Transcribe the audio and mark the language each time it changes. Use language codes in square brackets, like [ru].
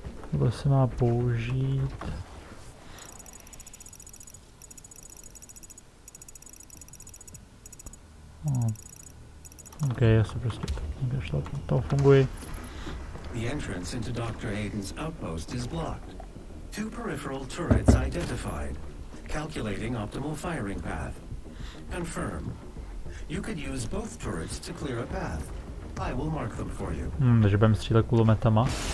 [cs] Tohle se má použít. No. OK, já se prostě nevěšla, to funguje. [en] The entrance into Dr. Hayden's outpost is blocked. Two peripheral turrets identified. Calculating optimal firing path. Confirm. You could use both turrets to clear a path. I will mark them for you. [cs] Takže budeme střílet kulometama.